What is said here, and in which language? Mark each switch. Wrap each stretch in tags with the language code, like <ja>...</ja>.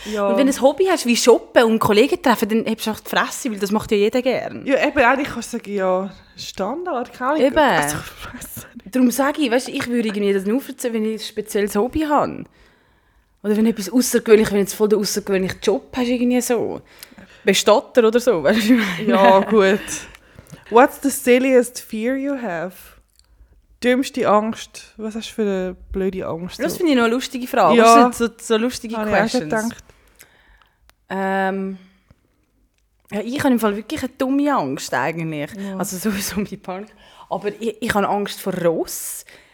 <de>Ja. Und wenn du ein Hobby hast wie shoppen und Kollegen treffen, dann hast du auch die Fresse, weil das macht ja jeder gerne. Ja, eben, eigentlich kannst du sagen, ja, Standard, keine Ahnung. Eben. Also, darum sage ich, weißt, ich würde irgendwie das nur erzählen, wenn ich ein spezielles Hobby habe. Oder wenn etwas außergewöhnlich, wenn jetzt voll der außergewöhnliche Job hast, irgendwie so. Bestatter oder so, weißt du? Ja, gut.</de> <en>What's the silliest fear you have?</en> <de>Dümmste Angst? Was hast du für eine blöde Angst? Das finde ich noch eine lustige Frage. Ja. Was sind so lustige Questions? Habe ich auch gedacht. Ich habe im Fall wirklich eine dumme Angst, eigentlich. Ja. Also sowieso meine Panik. Aber ich habe Angst vor Ross.</de>